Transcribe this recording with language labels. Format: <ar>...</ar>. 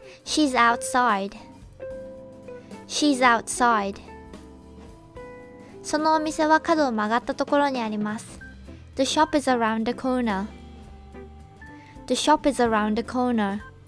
<en>She's outsideShe's outside.</en> <ja>そのお店は角を曲がったところにあります。</ja> <en>The shop is around the corner. The shop is around the corner.</en>